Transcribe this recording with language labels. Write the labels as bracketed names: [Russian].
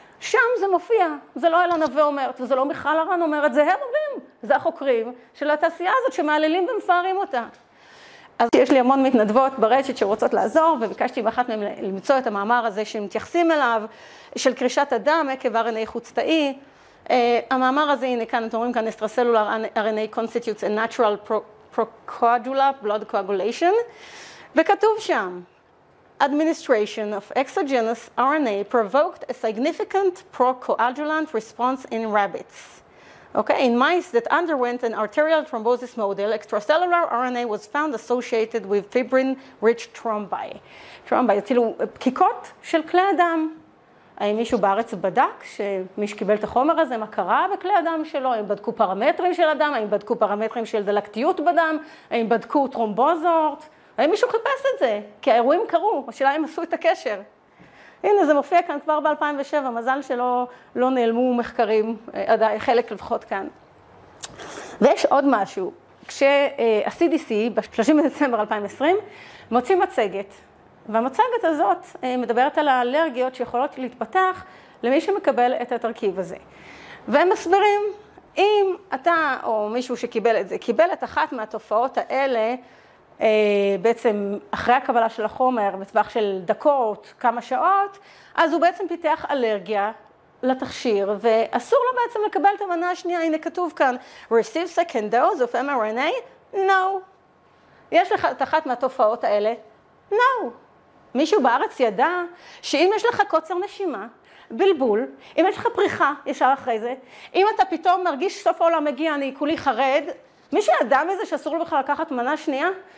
[Hebrew] שם זה מופיע, זה לא אלה נווה אומרת, וזה לא מיכל הרן אומרת, זה הם אומרים, זה החוקרים של התעשייה הזאת, שמעללים ומפארים אותה. אז יש לי המון מתנדבות ברשת שרוצות לעזור, וביקשתי באחת מהם למצוא את המאמר הזה שמתייחסים אליו, של קרישת הדם עקב RNA חוץ-תאי. המאמר הזה, הנה כאן, אתם אומרים כאן, [English] Extracellular RNA constitutes a natural procoagulant blood coagulation, [Hebrew] וכתוב שם, [English] administration of exogenous RNA provoked a significant procoagulant response in rabbits. Okay, in mice that underwent an arterial thrombosis model, extracellular RNA was found associated with fibrin-rich thrombi. [Hebrew] Thrombi, כאילו פקיקות של כלי הדם. האם מישהו בארץ בדק שמי שקיבל את החומר הזה, מה קרה בכלי הדם שלו? האם בדקו פרמטרים של הדם? האם בדקו פרמטרים של דלקתיות בדם? האם בדקו טרומבוזות? האם מישהו חיפש את זה? כי האירועים קרו, השאלה הם עשו את הקשר. הנה, זה מופיע כאן כבר ב-2007, מזל שלא נעלמו מחקרים, עדיין חלק לפחות כאן. ויש עוד משהו, כשה-CDC ב-30 בדצמבר 2020 מוציא מצגת, והמצגת הזאת מדברת על האלרגיות שיכולות להתפתח למי שמקבל את התרכיב הזה. והם מסבירים, אם אתה או מישהו שקיבל את זה, קיבל את אחת מהתופעות האלה, בעצם אחרי הקבלה של החומר בטווח של דקות, כמה שעות, אז הוא בעצם פיתח אלרגיה לתכשיר, ואסור לו בעצם לקבל את המנה השנייה. הנה כתוב כאן, [English] receive second dose of mRNA, no. [Hebrew] יש לך את אחת מהתופעות האלה? No. מישהו בארץ ידע שאם יש לך קוצר נשימה, בלבול, אם יש לך פריחה ישר אחרי זה, אם אתה פתאום מרגיש סוף העולם מגיע, אני כולי חרד, מי שידע מזה שאסור לו בכלל לקחת מנה שנייה?